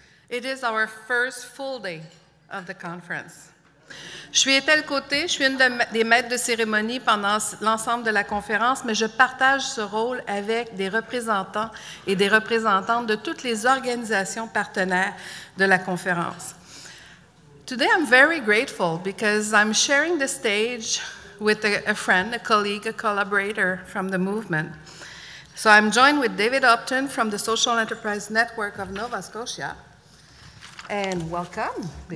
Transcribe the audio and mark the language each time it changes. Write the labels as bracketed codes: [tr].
[en] It is our first full day of the conference. [fr] Je suis Ételle Côté, je suis une des maîtres de cérémonie pendant l'ensemble de la conférence, mais je partage ce rôle avec des représentants et des représentantes de toutes les organisations partenaires de la conférence. [en] Today I'm very grateful because I'm sharing the stage with a friend, a colleague, a collaborator from the movement. So I'm joined with David Upton from the Social Enterprise Network of Nova Scotia. And welcome, David.